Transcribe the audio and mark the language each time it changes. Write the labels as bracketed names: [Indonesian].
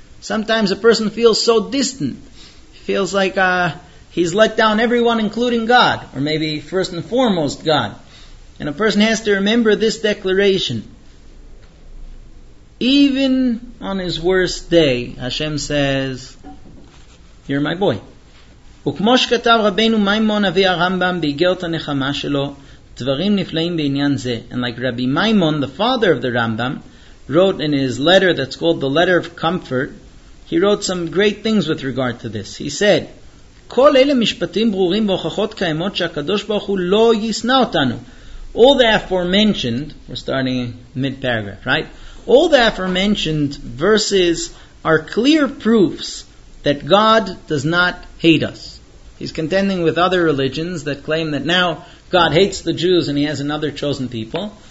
[English] Sometimes a person feels so distant. He feels like he's let down everyone, including God, or maybe first and foremost God. And a person has to remember this declaration. Even on his worst day, Hashem says, you're my boy. [Hebrew] וכמו שכתב רבנו מיימון אבי הרמב״ם באיגרת הנחמה שלו, דברים נפלאים בעניין זה. [English] And like Rabbi Maimon, the father of the Rambam, wrote in his letter that's called the Letter of Comfort, he wrote some great things with regard to this. He said, [Hebrew] כל אלה משפטים ברורים והוכחות קיימות שהקדוש ברוך הוא לא ישנא אותנו. [English] All the aforementioned, we're starting mid-paragraph, right? All the aforementioned verses are clear proofs that God does not hate us. He's contending with other religions that claim that now God hates the Jews and he has another chosen people.